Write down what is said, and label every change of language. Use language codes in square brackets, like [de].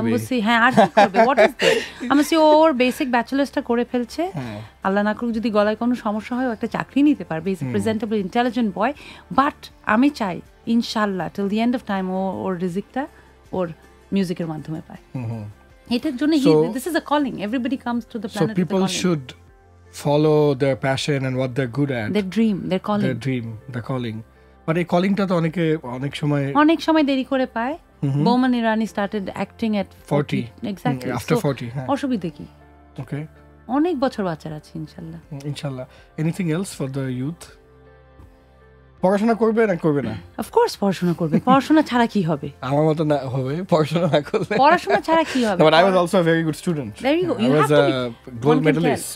[bn] আমি বলছি হ্যাঁ আর কি করবে [en] what is that [bn] আমি বলছি ওর বেসিক ব্যাচেলার্সটা করে ফেলছে আল্লাহ না করুক যদি গলায় কোনো সমস্যা হয় একটা চাকরি নিতে পারবে [en] is presentable intelligent boy but [bn] আমি চাই ইনশাল্লাহ [en] till the end of time [bn] ওর রিজিকটা ওর মিউজিকের মাধ্যমে পায় এটার জন্য [en] this is a calling everybody comes to the planet so people should follow their passion and what they're good at their dream, their calling but a calling [bn] ta to oneke onek shomoy deri kore pay [en] Boman Irani started acting at 40 exactly after 40 [bn] oshubidhe ki [en] okay [bn] onek bochor bachar achi inshallah [en] anything else for the youth [bn] পড়াশোনা করবে না করবে না of course পড়াশোনা করবে পড়াশোনা ছাড়া কি হবে আমার মত না হবে পড়াশোনা না করলে পড়াশোনা ছাড়া কি হবে [en] but I was also a very good student very good you have to be gold medalist